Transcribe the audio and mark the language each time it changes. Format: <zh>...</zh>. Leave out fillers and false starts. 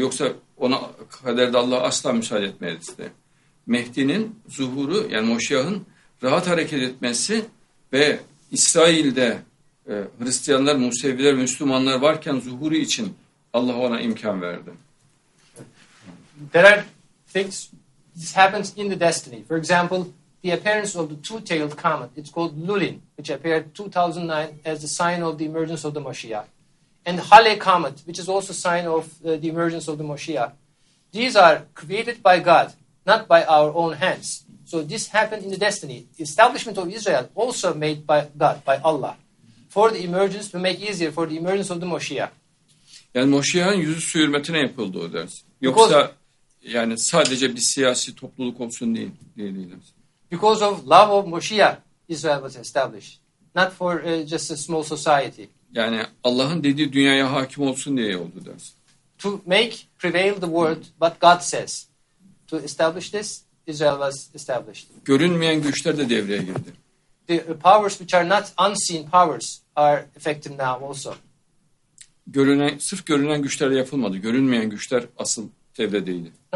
<tr>Yoksa ona kaderde Allah asla müsaade etmedi. Mehdi'nin zuhuru, yani Moşiyah'ın rahat hareket etmesi ve İsrail'de Hristiyanlar, Museviler, Müslümanlar varken zuhuru için Allah ona imkan verdi.</tr> <en>There are things, this happens in the destiny. For example, the appearance of the two-tailed comet, it's called Lulin, which appeared 2009 as the sign of the emergence of the Moshiach. And Halley comet, which is also a sign of the emergence of the Moshiach. These are created by God, not by our own hands. So this happened in the destiny. The establishment of Israel also made by God, by Allah, for the emergence, to make easier for the emergence of the Moshiach.</en> <tr>Yani Moshiach'ın yüzü su hürmetine yapıldı o ders. Yoksa yani sadece bir siyasi topluluk olsun değil.</tr> <en>Because of love of Moshiach, Israel was established. Not for just a small society.</en> <tr>Yani Allah'ın dediği dünyaya hakim olsun diye oldu ders.</tr> <en>To make prevail the word, what God says. To establish this, Israel was established.</en> <tr>Görünmeyen güçler de devreye girdi.</tr> <en>The powers which are not unseen powers are effective now also.</en> <tr>Sırf görünen güçlerle yapılmadı. Görünmeyen güçler asıl devredeydi.</tr>